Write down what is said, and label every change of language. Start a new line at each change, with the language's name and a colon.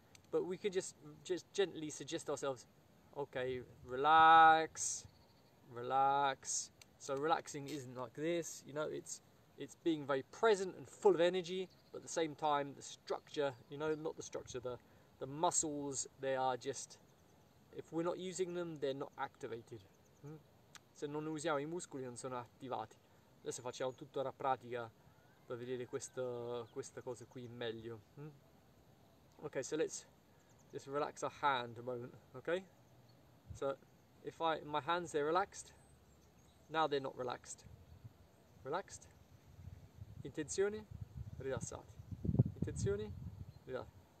English: But we could just gently suggest ourselves, okay, relax, relax. So relaxing isn't like this, you know, it's being very present and full of energy, but at the same time, the structure, you know, not the structure, the muscles, they are just, if we're not using them, they're not activated.
Italian: Se non usiamo i muscoli, non sono attivati. Adesso facciamo tutta la pratica per vedere questa cosa qui meglio.
English: Okay, so let's just relax our hand a moment, okay? So if my hands, they're relaxed. Now they're not relaxed. Relaxed.
Italian: Intenzione, rilassati. Intenzione, rilassati.